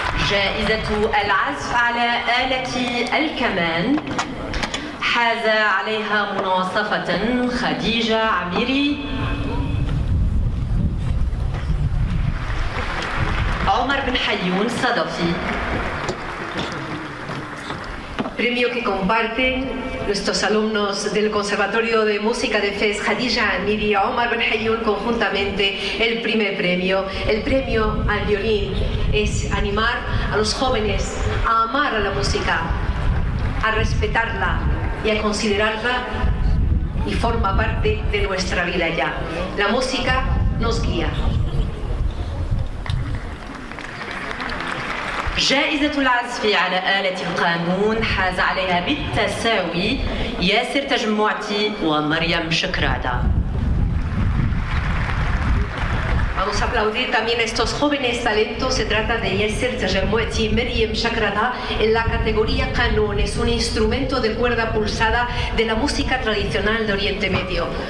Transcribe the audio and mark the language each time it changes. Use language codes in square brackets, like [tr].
[ar] جائزة العزف على آلة الكمان حاز عليها مناصفة خديجة عميري، عمر بن حيون صدفي. [es] Premio que comparten nuestros alumnos del Conservatorio de Música de Fez, Khadija Amiri y Omar Benhayoun, conjuntamente el primer premio. El premio al violín es animar a los jóvenes a amar a la música, a respetarla y a considerarla, y forma parte de nuestra vida ya. La música nos guía. [ar] جائزة العزف على آلة القانون حاز عليها بالتساوي ياسر تجمعتي ومريم شكرادة. [es] Vamos a aplaudir también a estos jóvenes talentos. Se trata de Yasser Tajemueti y Meriem Shakrada en la categoría Canon. Es un instrumento de cuerda pulsada de la música tradicional de Oriente Medio.